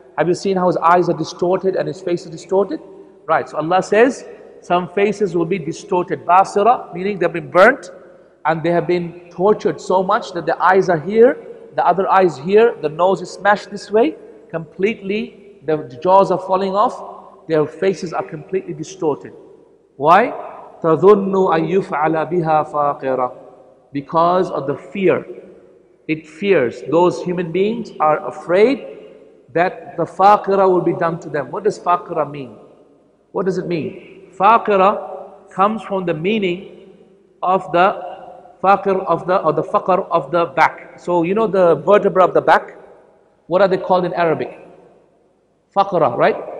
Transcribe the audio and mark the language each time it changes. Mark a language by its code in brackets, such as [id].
[en] Have you seen how his eyes are distorted and his face is distorted? Right, so Allah says some faces will be distorted. Basira, meaning they've been burnt and they have been tortured so much that the eyes are here, the other eye is here, the nose is smashed this way, completely, the jaws are falling off, their faces are completely distorted. Why? [ar] تَظُنُّ أَن يُفْعَلَ بِهَا فَاقِرًا, [en] because of the fear. It fears. Those human beings are afraid that the faqira will be done to them. What does faqira mean? What does it mean? Faqira comes from the meaning of the faqir of the, or the faqir of the back. So you know the vertebra of the back? What are they called in Arabic? Faqira, right?